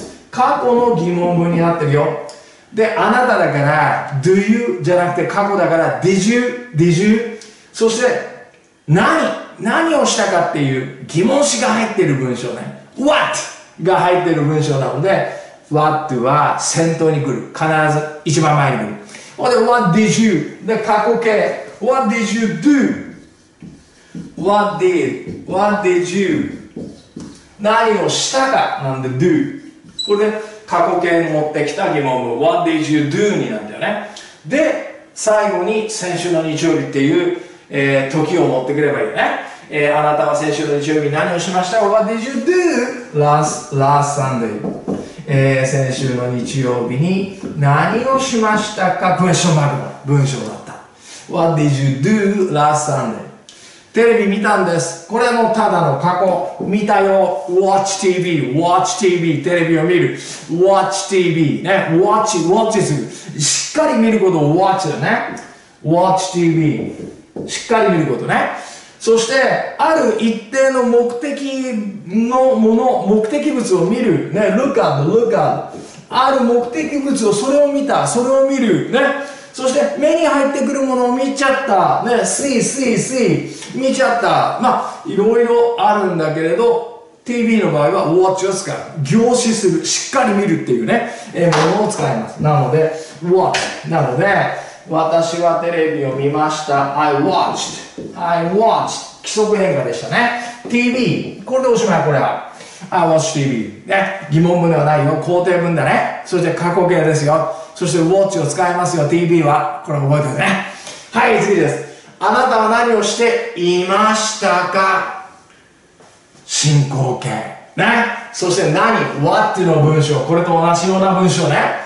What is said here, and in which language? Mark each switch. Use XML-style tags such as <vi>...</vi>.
<ja>過去の疑問文になってるよ。で、あなただから Do you じゃなくて過去だから</ja> <en>Did you? Did you?</en> <ja>そして何をしたかっていう疑問詞が入ってる文章ね。 What が入ってる文章なので、 What は先頭に来る、必ず一番前に来る。</ja> <en>で、 What did you</en> <ja>で過去形、</ja> <en>What did you do? What did? What did you?</en> <ja>何をしたかなんで Do、 これで過去形持ってきた疑問文、</ja> <en>What did you do?</en> <ja>になるんだよね。で、最後に先週の日曜日っていう、時を持ってくればいいね。あなたは先週の日曜日何をしました？</ja> <en>What did you do? Last Sunday、</en> <ja>先週の日曜日に何をしましたか？文章マークの文章だった。</ja> <en>What did you do last Sunday?</en> <ja>テレビ見たんです。これもただの過去、見たよ。</ja> <en>Watch TV、 Watch TV、</en> <ja>テレビを見る。 Watch TV ね、 Watch、 Watch する、しっかり見ることを Watch だね。 Watch TV、しっかり見ることね。そしてある一定の目的のもの、目的物を見るね。 Look at, look at、 ある目的物を、それを見た、それを見るね。そして目に入ってくるものを見ちゃったね。</ja> <en>See, see, see、</en> <ja>見ちゃった。まあいろいろあるんだけれど、 TV の場合は Watch を使う、凝視する、しっかり見るっていうね、ものを使います。なので Watch、 なので私はテレビを見ました。</ja> <en>I watched、 I watched、</en> <ja>規則変化でしたね。 TV、 これでおしまい。これは</ja> <en>I watched TV</en> <ja>ね。疑問文ではないよ、肯定文だね。そして過去形ですよ。そして watch を使いますよ。TV はこれ覚えてね。はい、次です。あなたは何をしていましたか。進行形ね。そして何、 what の文章、これと同じような文章ね。</ja>